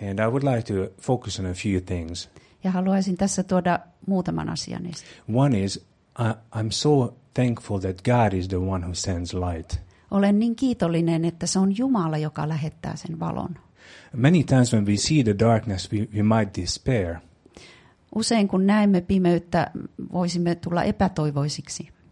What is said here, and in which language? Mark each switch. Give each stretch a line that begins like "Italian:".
English: And I would like to focus on a few things.
Finnish: Ja haluaisin tässä tuoda muutaman asian esiin.
English: One is, I'm so thankful that God is the one who sends light.
Finnish: Olen niin kiitollinen, että se on Jumala, joka lähettää sen valon.
English: Many times when we see the darkness, we might despair.
Finnish: Usein kun näemme pimeyttä, voisimme tulla epätoivoisiksi.